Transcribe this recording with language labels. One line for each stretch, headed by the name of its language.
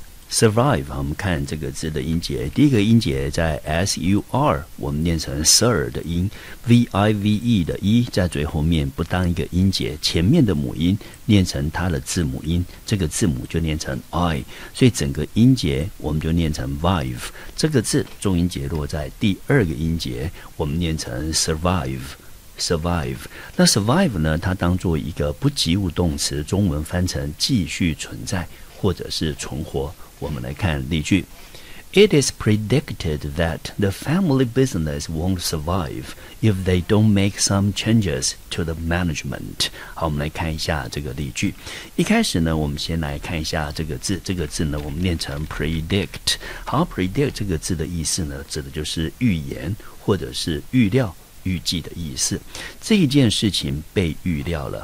Chinese: survive， 我们看这个字的音节，第一个音节在 sur， 我们念成 sur 的音， vive 的 e 在最后面不当一个音节，前面的母音念成它的字母音，这个字母就念成 i， 所以整个音节我们就念成 vive， 这个字重音节落在第二个音节，我们念成 survive。 Survive， 那 survive 呢？它当作一个不及物动词，中文翻成继续存在或者是存活。我们来看例句
English: ：It is predicted that the family business won't survive if they don't make some changes to the management。
Chinese: 好，我们来看一下这个例句。一开始呢，我们先来看一下这个字。这个字呢，我们念成 predict。好 ，predict 这个字的意思呢，指的就是预言或者是预料。预计的意思，这一件事情被预料了。